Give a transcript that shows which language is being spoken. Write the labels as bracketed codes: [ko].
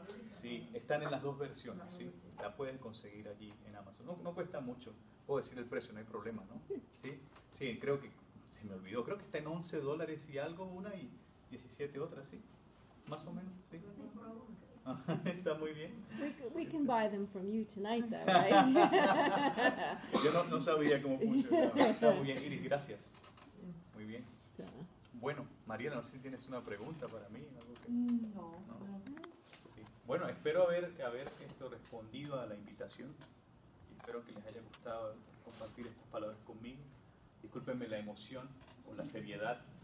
[es] Sí, están en las dos versiones, sí. La puedes conseguir allí en Amazon. No, no cuesta mucho. Puedo decir el precio, no hay problema, ¿no? Sí, sí, creo que se me olvidó. Creo que está en $11 y algo una y 17 otras, sí. Más o menos, sí. Está muy bien. [en] We can buy them from you tonight, though, right? [es] Yo no sabía cómo funcionaba. Está muy bien, Iris, gracias. Muy bien. Bueno, Mariela, no sé si tienes una pregunta para mí. Algo que, no. Bueno, espero haber esto respondido a la invitación. Espero que les haya gustado compartir estas palabras conmigo. Discúlpenme la emoción o la seriedad.